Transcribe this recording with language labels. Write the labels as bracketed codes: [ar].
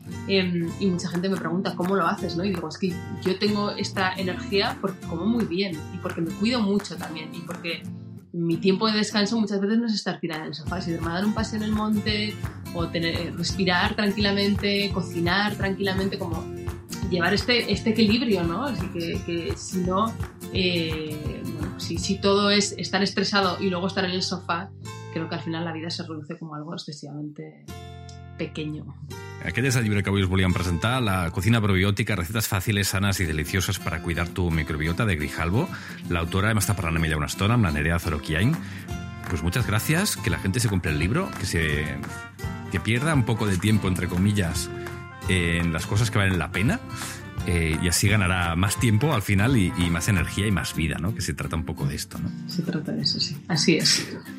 [es] Y mucha gente me pregunta, ¿cómo lo haces? ¿No? Y digo, es que yo tengo esta energía porque como muy bien y porque me cuido mucho también y porque mi tiempo de descanso muchas veces no es estar tirada en el sofá, sino dar un paseo en el monte o respirar tranquilamente, cocinar tranquilamente, como llevar este equilibrio, ¿no? Así que si no, bueno, si todo es estar estresado y luego estar en el sofá, creo que al final la vida se reduce como algo excesivamente pequeño. [ca] Aquest és el llibre que avui us volíem presentar, La cocina probiòtica, recetes fàcils, sanes i delicioses per a cuidar tu microbiota, de Grijalbo. L'autora, hem estat parlant amb ella una estona, amb la Nerea Zorokiain. [es] Pues muchas gracias, que la gente se compre el libro, que pierda un poco de tiempo, entre comillas, en las cosas que valen la pena, y así ganará más tiempo al final y más energía y más vida, ¿no? Que se trata un poco de esto, ¿no? Se trata de eso, sí. Así es.